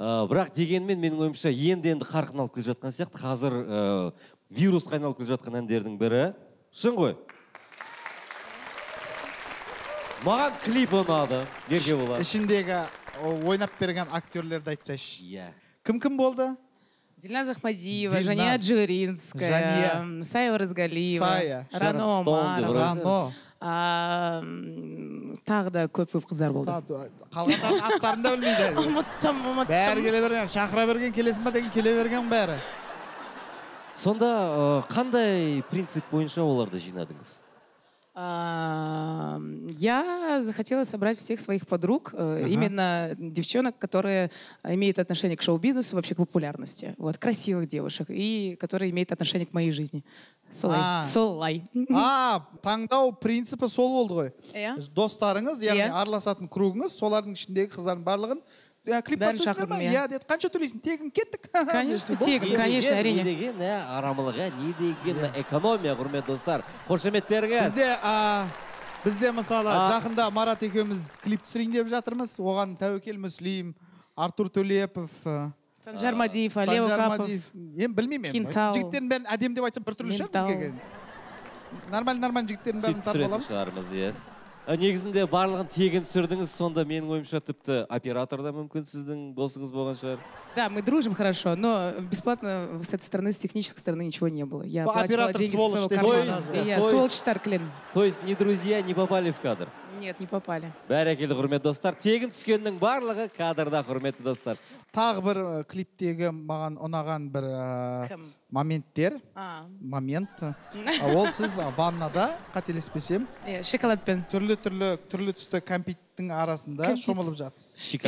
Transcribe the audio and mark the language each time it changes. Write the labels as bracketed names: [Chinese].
[Kazakh] Бірақ дегенмен менің ойымша енді қарқын алып келе жатқан сияқты, қазір вирус қайналып келе жатқан әндердің бірі. Шын ғой. Маған клип ұнады. Берге болар. Ішіндегі ойнап берген актерлерді айтсайшы. Иә. Yeah. Кім болды? Дильназ Ахмадиева, Жания Джигаринская, Сая Оразгалиева, Рано Омар. Тағы да көп-көп қыздар болды. Қалғандар аттарын да білмейді. Ұмыттым. Бәрі келе берген, шақыра берген, келесің ба деген келе берген бәрі. Сонда қандай принцип бойынша оларды жинадыңыз? [Russian] Я захотела собрать всех своих подруг, именно девчонок, которые имеют отношение к шоу-бизнесу, вообще к популярности. Вот, красивых девушек, и которые имеют отношение к моей жизни. [Kazakh] Солай. Таңдау принципі сол болды ғой. [English] Yeah. [Kazakh] Достарыңыз, яғни yeah. араласатын кругыңыз, солардың ішіндегі қыздардың барлығын клип көрсетіп ма? Иә, деді. Қанша төлейсің? Тегін кеттік. Конечно, әрине. Не деген, арамылығы, не деген экономия, құрметті достар. Қошеметтеріңіз. Бізде мысалы, жақында Марат екеуміз клип түсірейін деп жатырмыз. Оған Тәуекел Мүслим, Артур Төлепов, Санжар Мадиев, Алео Капов. Мен білмеймін. Жігіттерін бәрін әдем деп айтсам, бір түрлі шығар бізге келген. Нормаль-нормаль жігіттерін бәрін тартып аламыз. Шығармыз, иә. Негізінде барлығын тегін түсірдіңіз, сонда менің ойымша тіпті оператор да мүмкін сіздің досыңыз болған шығар. [Russian] Да, мы дружим хорошо, но бесплатно с этой стороны, с технической стороны ничего не было. Я оператор сволочь, ты сволочь. Сволочь Тарклин. То есть ни друзья не попали в кадр? Нет, не попали. [Kazakh] Бәрекелді, құрметті достар. Тегін түскеннің барлығы кадрда, құрметті достар. Тағы бір клиптегі маған ұнаған бір моменттер. Момент. Ол сіз ваннада, қателеспесем. Иә, шоколадпен. Түрлі түсті кәмпиттің арасында шомылып жатсыз.